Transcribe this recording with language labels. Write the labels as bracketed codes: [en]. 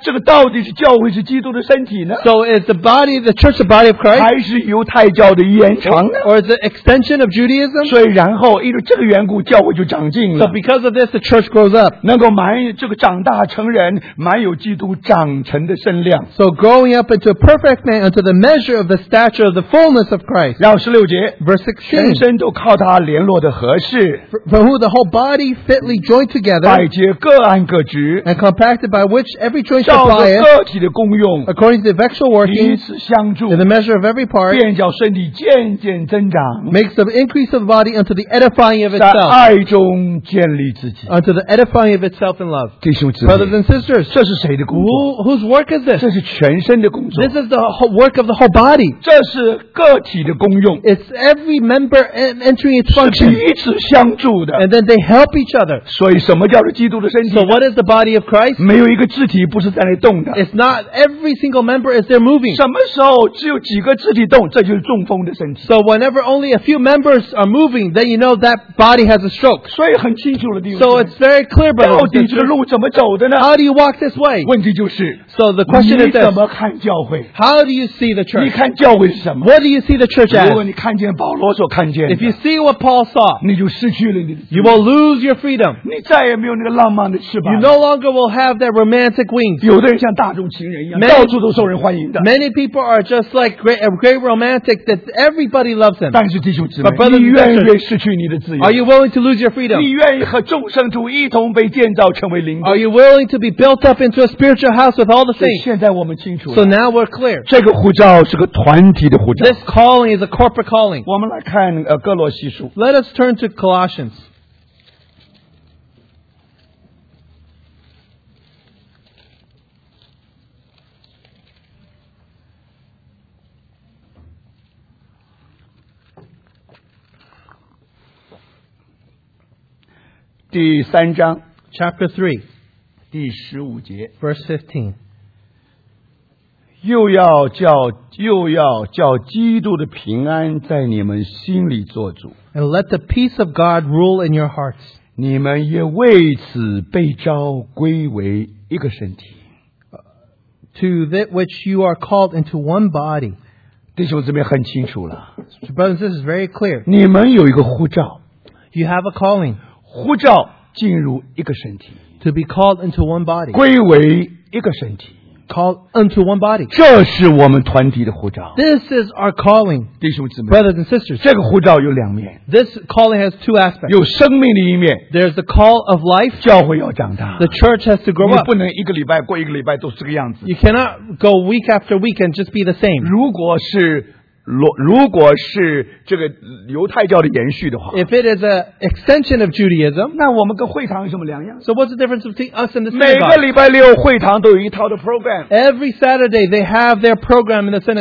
[zh] 这个到底是教会是基督的身体呢? [en] So is the body, the church the body of Christ? [zh] 还是犹太教的延长呢? [en] Or is it extension of Judaism? [zh] 所以然后因为这个缘故教会就长进了。 [en] So because of this, the church grows up. [zh] 能够满这个长大成人满有基督长成的身量 [en] So growing up into a perfect man unto the measure of the stature of the fullness of Christ [zh] 然后十六节 [en] Verse 16 [zh] 全身都靠他联络的合适 [en] For who the whole body fitly joined together [zh] 百节各按各职 [en] And compacted by which every joint supplies [zh] 照着个体的功用 [en] According to the effectual working [zh] 彼此相助 [en] In the measure of every part [zh] 便叫身体渐渐增长 [en] Makes the increase of the body unto the edifying of itself [zh] 在爱中建立自己 [en] Unto the edifying of itself in love [zh] 弟兄姊妹 [en] Brothers and sisters [zh] 这是谁的工作 [en] Whose work is this? [zh] 这是全身的工作 [en] This is the work of the whole body [zh] 这是个体的功用 [en] It's every member entering its function [zh] 是彼此相助的 [en] And then they help each other [zh] 所以什么叫做基督的身体 [en] So what is the body of Christ? [zh] 没有一个肢体不是在那动的 [en] It's not every single member is there moving [zh] 什么时候只有几个肢体动这就是中风的身体 [en] So whenever only a few members are moving then you know that body has a stroke [zh] 所以很清楚了弟兄 [en] So it's very clear but [zh] 到底这个路怎么走的呢 [en] How do you walk this way? [zh] 问题就是 [en] So the question is this [zh] 你怎么看教会 [en] How do you see the church? [zh] 你看教会是什么 [en] What do you see the church as? [zh] 如果你看见保罗所看见的 [en] If you see what Paul saw [zh] 你就失去了你的 [en] You will lose your freedom [zh] 你再也没有那个浪漫的翅膀 [en] You no longer will have that romantic wings [zh] 有的人像大众情人一样 到处都受人欢迎的 [en] Many people are just like great romantic that everybody loves them [zh] 但是弟兄姊妹你愿意失去你的自由 [en] Are you willing to lose your freedom? [zh] 你愿意和众圣徒一同被建造成为灵宫 [en] Are you willing to be built up into a spiritual house with all the saints? [zh] 现在我们清楚了 [en] So now we're clear [zh] 这个呼召是个团体的呼召 [en] This calling is a corporate calling [zh] 我们来看哥罗西书 [en] Let us turn to Colossians [zh] 第三章 [en] Chapter 3 [zh] 第十五节 [en] Verse 15 [zh] 又要叫基督的平安在你们心里做主。 [en] And let the peace of God rule in your hearts. [zh] 你们也为此被召归为一个身体。 [en] to that which you are called into one body. [zh] 弟兄姊妹很清楚了。 [en] Brothers, this is very clear. [zh] 你们有一个呼召。 [en] You have a calling. [zh] 呼召进入一个身体。 [en] To be called into one body. [zh] 归为一个身体。 [en] Called unto one body. [zh] 这是我们团体的呼召。 [en] This is our calling. [zh] 弟兄姊妹。 [en] Brothers and sisters. [zh] 这个呼召有两面。 [en] This calling has two aspects. [zh] 有生命的一面。 [en] There's the call of life. [zh] 教会要长大。 [en] The church has to grow up. [zh] 你不能一个礼拜过一个礼拜都是这个样子。 [en] You cannot go week after week and just be the same. [zh] 如果是这个犹太教的延续的话 [en] If it is an extension of Judaism [zh] 那我们跟会堂有什么两样 [en] So what's the difference between us and the [zh] synagogue 每个礼拜六会堂都有一套的 program [en] Every Saturday they have their program in the synagogue